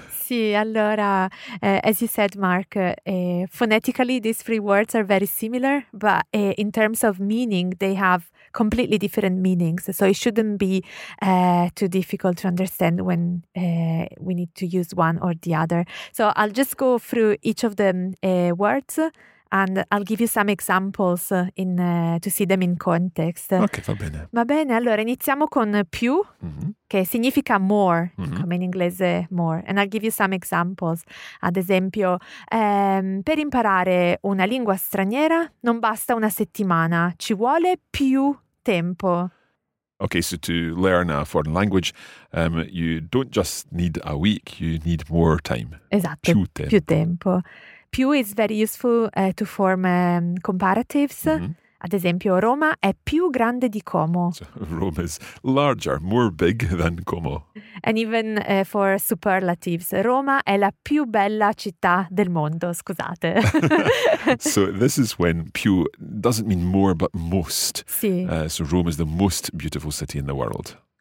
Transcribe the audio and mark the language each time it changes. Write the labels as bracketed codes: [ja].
[it] Sì, allora, [en] as you said, Mark, phonetically these three words are very similar, but in terms of meaning, they have completely different meanings. So it shouldn't be too difficult to understand when we need to use one or the other. So I'll just go through each of the words and I'll give you some examples in to see them in context. [it] Ok, va bene. Va bene, allora iniziamo con più, che significa more, come in inglese more. [en] And I'll give you some examples. [it] Ad esempio, per imparare una lingua straniera non basta una settimana, ci vuole più tempo. [en] Ok, so to learn a foreign language, you don't just need a week, you need more time. [it] Esatto, più tempo. Più tempo. [en] Più is very useful to form comparatives. Mm-hmm. [it] Ad esempio, Roma è più grande di Como. [en] So, Rome is larger, more big than Como. And even for superlatives, [it] Roma è la più bella città del mondo, scusate. [en] So this is when più doesn't mean more, but most. [it] Sì. [en] So Rome is the most beautiful city in the world.